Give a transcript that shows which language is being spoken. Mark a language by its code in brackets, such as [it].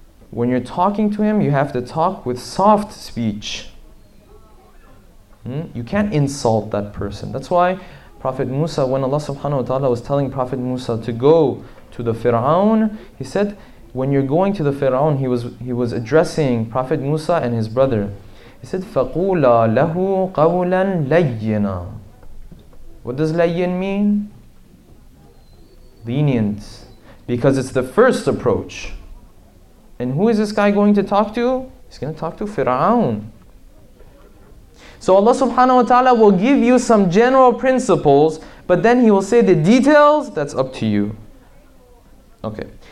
[en] When you're talking to him, you have to talk with soft speech. You can't insult that person. That's why Prophet Musa, when Allah subhanahu wa ta'ala was telling Prophet Musa to go to the Fir'aun, He said, when you're going to the Fir'aun, he was addressing Prophet Musa and his brother. He said, [ar] فَقُولَ لَهُ قَوْلًا لَيِّنًا. [en] What does layyin mean? Lenient. Because it's the first approach. And who is this guy going to talk to? He's going to talk to Fir'aun. So Allah subhanahu wa ta'ala will give you some general principles, but then He will say the details, that's up to you. Okay.